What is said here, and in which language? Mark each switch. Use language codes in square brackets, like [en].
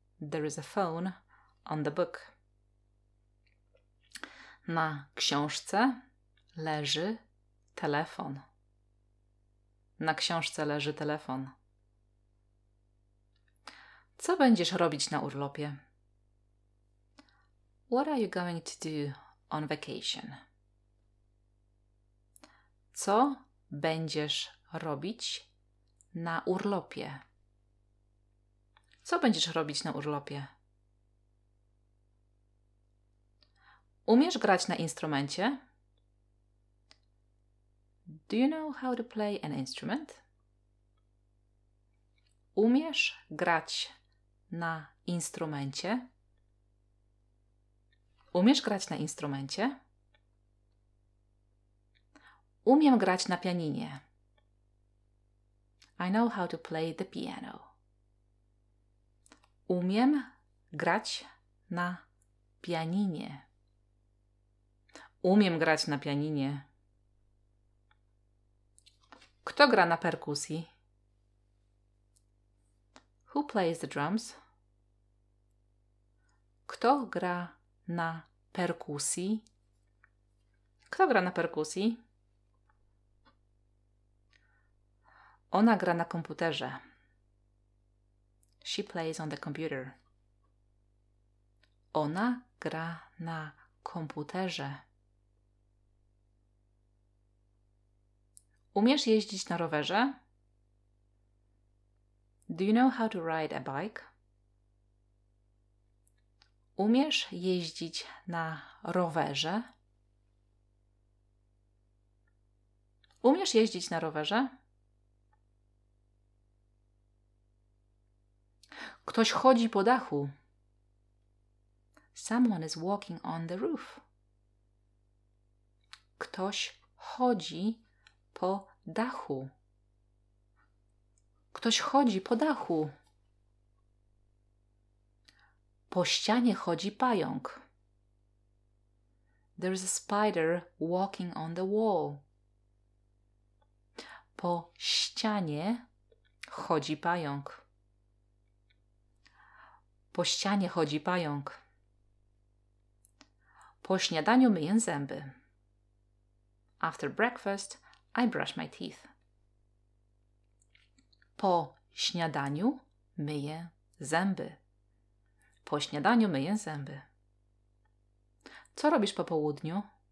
[en] There is a phone on the book. [pl] Na książce leży telefon. Na książce leży telefon. Co będziesz robić na urlopie? [en] What are you going to do on vacation? [pl] Co będziesz robić na urlopie? Co będziesz robić na urlopie? Umiesz grać na instrumencie? [en] Do you know how to play an instrument? [pl] Umiesz grać na instrumencie? Umiesz grać na instrumencie? Umiem grać na pianinie. [en] I know how to play the piano. [pl] Umiem grać na pianinie. Umiem grać na pianinie. Kto gra na perkusji? [en] Who plays the drums? [pl] Kto gra na perkusji? Kto gra na perkusji? Ona gra na komputerze. [en] She plays on the computer. [pl] Ona gra na komputerze. Umiesz jeździć na rowerze? [en] Do you know how to ride a bike? [pl] Umiesz jeździć na rowerze? Umiesz jeździć na rowerze? Ktoś chodzi po dachu. [en] Someone is walking on the roof. [pl] Ktoś chodzi po dachu. Ktoś chodzi po dachu. Po ścianie chodzi pająk. [en] There is a spider walking on the wall. [pl] Po ścianie chodzi pająk. Po ścianie chodzi pająk. Po śniadaniu myję zęby. [en] After breakfast, I brush my teeth. [pl] Po śniadaniu myję zęby. Po śniadaniu myję zęby. Co robisz po południu?